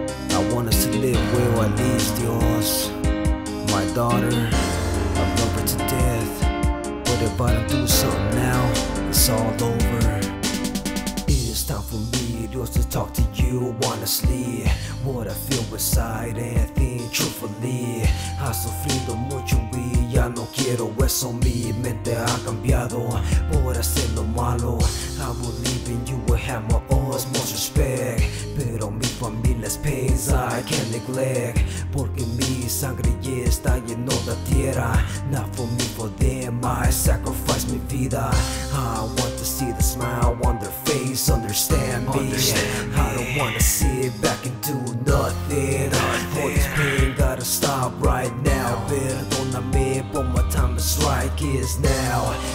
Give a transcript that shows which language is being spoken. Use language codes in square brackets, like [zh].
[en] I want us to live well at least, Dios. My daughter, I love her to death. But if I don't do something now, it's all over. It is time for me, Dios, to talk to you honestly. What I feel inside and think truthfully. [es] Ha sufrido mucho y ya no quiero eso. Mi mente ha cambiado por hacer lo malo. [en] I believe in you, I have my utmost respect. Pero mi familia's pains I can't neglect. [es] Porque mi sangre ya está lleno de tierra. [en] Not for me, for them, I sacrifice mi vida. I want to see the smile on their face, understand me. Understand me. I don't wanna sit back and do nothing. All this pain gotta stop right now. Perdóname, but my time to strike is now.